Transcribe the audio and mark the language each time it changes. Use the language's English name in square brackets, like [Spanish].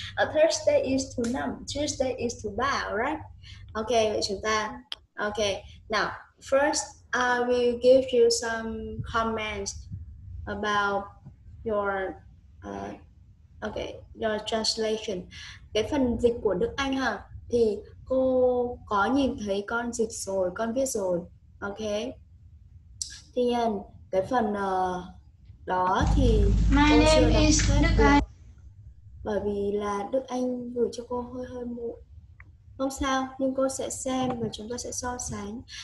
[English] Thursday is [Vietnamese] thứ năm, [English] Tuesday is [Vietnamese] thứ ba, [English] right? [Vietnamese] Okay, vậy chúng ta. [English] Okay, now, first, I will give you some comments about your, okay, your translation. [Vietnamese] Cái phần dịch của Đức Anh hả? Thì cô có nhìn thấy con dịch rồi, con viết rồi. Okay. Tuy nhiên, cái phần đó thì cô chưa đọc hết được. Bởi vì là Đức Anh gửi cho cô hơi hơi muộn. Không sao, nhưng cô sẽ xem và chúng ta sẽ so sánh.